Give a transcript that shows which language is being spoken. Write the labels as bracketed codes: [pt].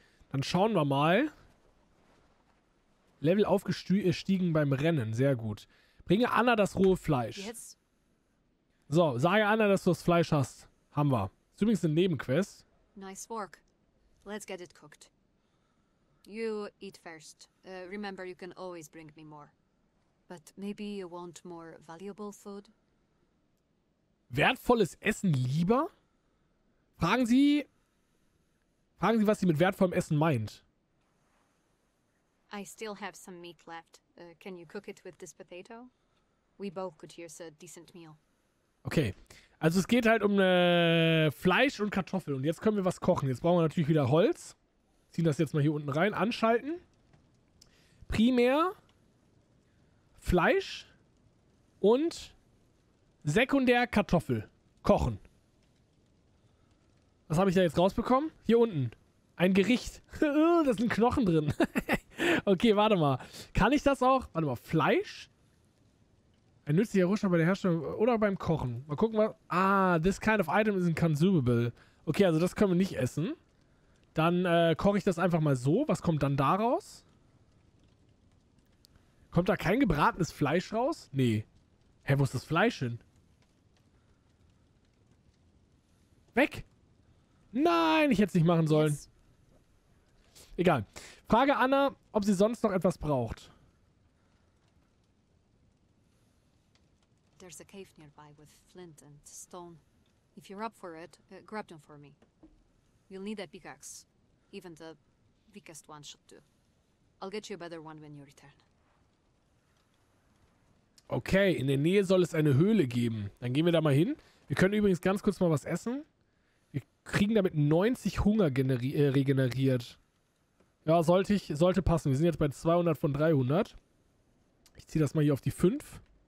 [de] Dann schauen wir mal. Level aufgestiegen beim Rennen. Sehr gut. Bringe Anna das rohe Fleisch. Jetzt? So, sage Anna, dass du das Fleisch hast. Haben wir. Ist übrigens eine Nebenquest. [en] Nice work. Let's get it cooked. You eat first. Remember, you can always bring me more. But maybe you want more valuable food? [de] Wertvolles Essen lieber? Fragen Sie, was sie mit wertvollem Essen meint. [en] I still have some meat left. Can you cook it with this potato? We both could use a decent meal. Okay. [de] Also es geht halt um Fleisch und Kartoffel und jetzt können wir was kochen. Jetzt brauchen wir natürlich wieder Holz. Ziehen das jetzt mal hier unten rein, anschalten. Primär Fleisch und sekundär Kartoffel. Kochen. Was habe ich da jetzt rausbekommen? Hier unten. Ein Gericht. Da sind Knochen drin. Okay, warte mal. Kann ich das auch? Warte mal. Fleisch? Ein nützlicher Rohstoff bei der Herstellung oder beim Kochen. Mal gucken, was... [en] Ah, this kind of item isn't consumable. [de] Okay, also das können wir nicht essen. Dann koche ich das einfach mal so. Was kommt dann da raus? Kommt da kein gebratenes Fleisch raus? Nee. Hä, wo ist das Fleisch hin? Weg! Nein, ich hätte es nicht machen sollen. Egal. Frage Anna, ob sie sonst noch etwas braucht. [en] there's a cave nearby with flint and stone. If you're up for it, grab them for me. You'll need a pickaxe. Even the weakest one should do. I'll get you a better one when you return. [de] Okay, in der Nähe soll es eine Höhle geben. Dann gehen wir da mal hin. Wir können übrigens ganz kurz mal was essen. Wir kriegen damit 90 Hunger regeneriert. Ja, sollte passen. Wir sind jetzt bei 200 von 300. Ich ziehe das mal hier auf die 5.